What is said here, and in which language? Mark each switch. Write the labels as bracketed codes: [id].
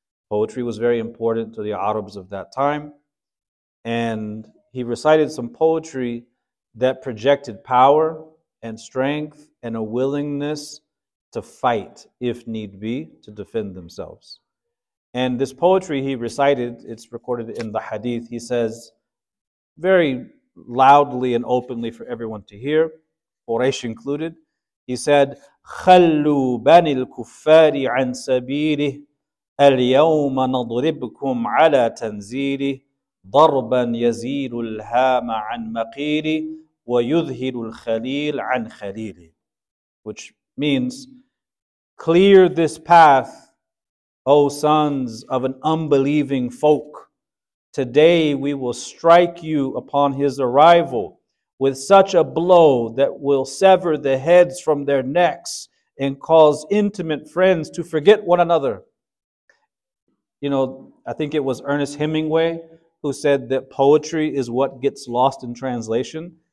[en] Poetry was very important to the Arabs of that time. And he recited some poetry that projected power and strength and a willingness to fight, if need be, to defend themselves. And this poetry he recited, it's recorded in the hadith, he says very loudly and openly for everyone to hear, Quraysh included. He said, [ar] خَلُّوا بَنِي الْكُفَّارِ عَنْ سَبِيلِهِ الْيَوْمَ نَضْرِبْكُمْ عَلَى تَنْزِيلِهِ ضَرْبًا يَزِيلُ الْهَامَ عَنْ مَقِيلِهِ وَيُذْهِلُ الْخَلِيلَ عَنْ خَلِيلِهِ, [en] which means, clear this path, O sons of an unbelieving folk. Today we will strike you upon his arrival with such a blow that will sever the heads from their necks and cause intimate friends to forget one another. You know, I think it was Ernest Hemingway who said that poetry is what gets lost in translation.